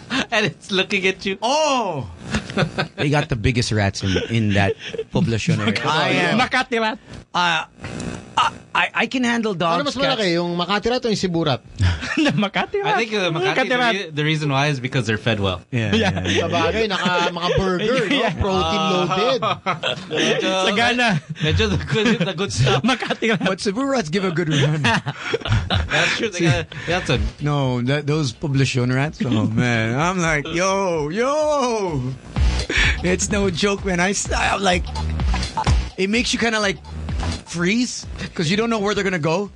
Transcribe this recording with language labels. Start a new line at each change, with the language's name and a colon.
English: And it's looking at you. Oh! They got the biggest rats in that poblacion area. Makati rat. I can handle dogs.
Filipino: Ano mas malaki, yung makatira to yung siburat? Makatira.
English: I think makatira, the reason why is because they're fed well. Yeah.
Filipino: Sabagay, naka mga burger, yeah. No?
English: Protein loaded.
Filipino: Medyo, sagana.
English: Medyo the good stuff.
Filipino: Makatira.
English: But siburats give a good run. That's true. See, that's a... No, that, those publishon rats, oh man. I'm like, yo! It's no joke, man. I'm like, it makes you kind of like freeze because you don't know where they're gonna go.